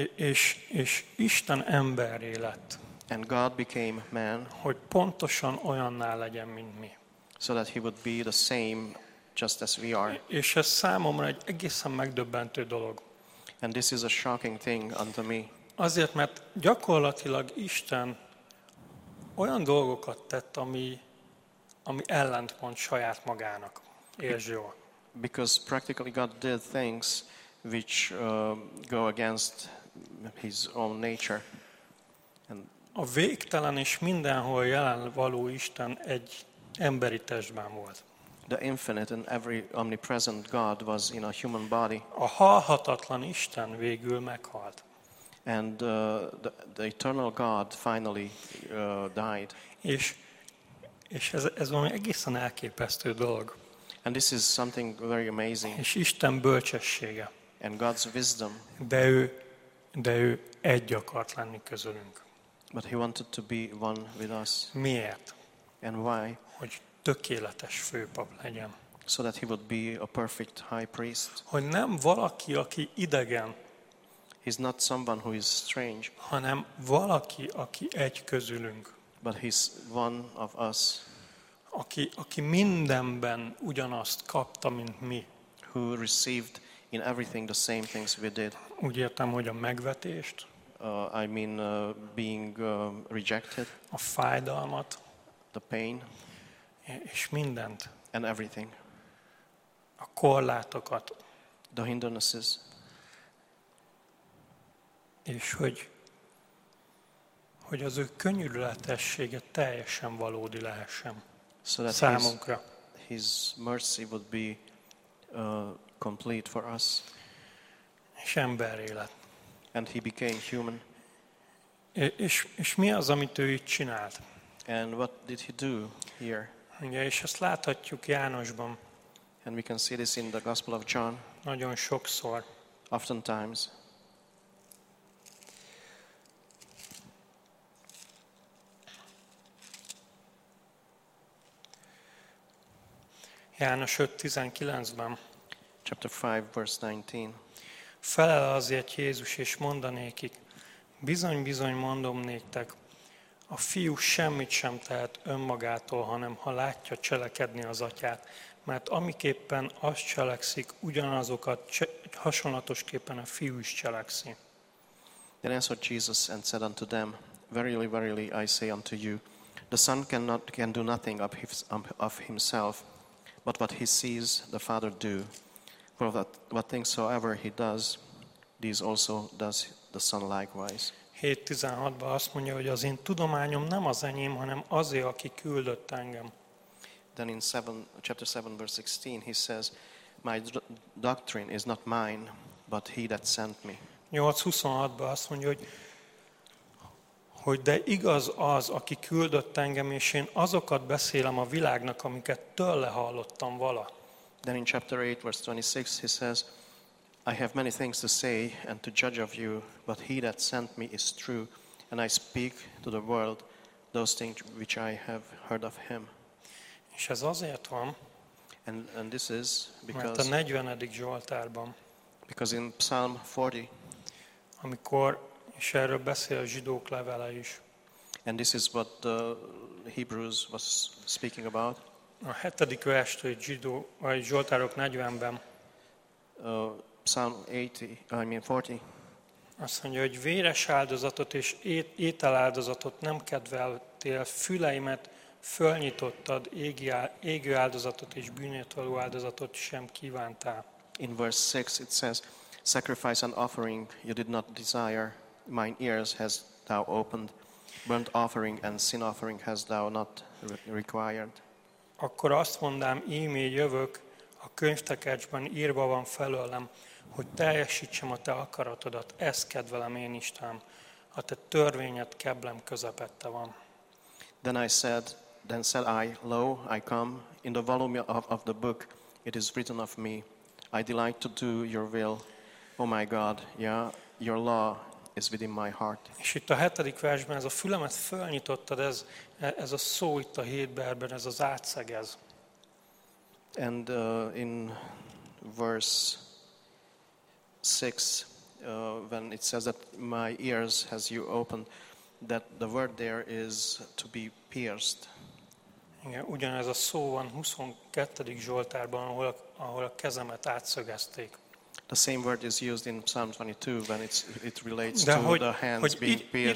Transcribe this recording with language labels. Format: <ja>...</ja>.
<hu>És Isten emberré lett.</hu> <en>And God became man.</en> <hu>Hogy pontosan olyanná legyen, mint mi.</hu> <en>So that he would be the same just as we are.</en> <hu>És ez számomra egy egészen megdöbbentő dolog.</hu> <en>And this is a shocking thing unto me.</en> <hu>Azért, mert gyakorlatilag Isten olyan dolgokat tett, ami ellentmond saját magának. Érzi jól.</hu> <en>Because practically God did things which go against his own nature. And</en> <hu>a végtelen és mindenhol jelen való Isten egy emberi testben volt.</hu> <en>The infinite and every omnipresent God was in a human body.</en> <hu>A halhatatlan Isten végül meghalt.</hu> <en>And the eternal God finally died.</en> <hu>És ez valami egészen elképesztő dolog.</hu> <en>And this is something very amazing.</en> <hu>És Isten bölcsessége.</hu> <en>And God's wisdom.</en> <hu>De ő egy akart lenni közülünk.</hu> <en>But he wanted to be one with us.</en> <hu>Miért?</hu> <en>And why?</en> <hu>Hogy tökéletes főpap legyen.</hu> <en>So that he would be a perfect high priest.</en> <hu>Hogy nem valaki, aki idegen.</hu> <en>He's not someone who is strange.</en> <hu>Hanem valaki, aki egy közülünk.</hu> <en>But he's one of us.</en> <hu>Aki mindenben ugyanazt kapta, mint mi.</hu> <en>Who received in everything the same things we did.</en> <hu>Úgy értem, hogy a megvetést.</hu> <en>I mean being rejected.</en> <hu>A fájdalmat.</hu> <en>The pain.</en> <hu>És mindent.</hu> <en>And everything.</en> <hu>A korlátokat.</hu> <en>The hindrances.</en> <hu>És hogy az ő könyörületessége teljesen valódi lehessen.</hu> <en>So that</en> <hu>számunkra.</hu> <en>His mercy would be complete for us.</en> <hu>És emberré lett.</hu> <en>And he became human.</en> <hu>És mi az, amit ő itt csinált?</hu> <en>And what did he do here?</en> <hu>Ugye, és ezt láthatjuk Jánosban.</hu> <en>And we can see this in the Gospel of John.</en> <hu>Nagyon sokszor.</hu> <en>Oftentimes.</en> <hu>János 5:19-ben.</hu> <en>Chapter 5, verse 19.</en> <hu>Felel azért Jézus, és mondanékik, bizony-bizony mondom néktek, a fiú semmit sem tehet önmagától, hanem ha látja cselekedni az atyát, mert amiképpen azt cselekszik, ugyanazokat hasonlatosképpen a fiú is cselekszi.</hu> <en>Then answered Jesus and said unto them, verily, verily, I say unto you, the Son can do nothing of himself, but what he sees the Father do. For what things soever he does, these also does the Son likewise.</en> <hu>7:16-ban azt mondja, hogy az én tudományom nem az enyém, hanem azé, aki küldött engem.</hu> <en>Then in chapter 7, verse 16, he says, my doctrine is not mine, but he that sent me.</en> <hu>8:26-ban azt mondja, hogy de igaz az, aki küldött engem, és én azokat beszélem a világnak, amiket tőle hallottam vala.</hu> <en>Then in chapter 8, verse 26, he says, I have many things to say and to judge of you, but he that sent me is true, and I speak to the world those things which I have heard of him.</en> <hu>És ez azért van,</hu> <en>and this is because,</en> <hu>mert a 40. Zsoltárban,</hu> <en>because in Psalm 40,</en> <hu>amikor, és erről beszél a zsidók levele is,</hu> <en>and this is what the Hebrews was speaking about,</en> <hu>a 7. verstől egy zsidó, vagy Zsoltárok 40-ben.</hu> <en>Psalm 80, I mean 40.</en> <hu>Azt mondja, hogy véres áldozatot és ételáldozatot nem kedveltél, füleimet fölnyitottad, égő áldozatot és bűnért való áldozatot sem kívántál.</hu> <en>In verse 6 it says, sacrifice and offering you did not desire, mine ears has thou opened, burnt offering and sin offering has thou not required.</en> <hu>Akkor azt mondám, ímé jövök, a könyvtekercsben írva van felőlem, hogy teljesítsem a te akaratodat, ezt kedvelem én Istenem, a te törvényed keblem közepette van.</hu> <en>Then said I, lo, I come, in the volume of the book, it is written of me, I delight to do your will, O my God, yeah, your law is within my heart.</en> <hu>És itt a 7. versben ez a fülemet fölnyitottad, ez a szó itt a Héberben, ez az átszegez.</hu> <en>And in verse 6, when it says that my ears has you opened, that the word there is to be pierced.</en> <hu>Igen, ugyanez a szó van 22. Zsoltárban, ahol a kezemet átszögezték.</hu> <en>The same word is used in Psalm 22 when it relates to the hands being pierced.</en>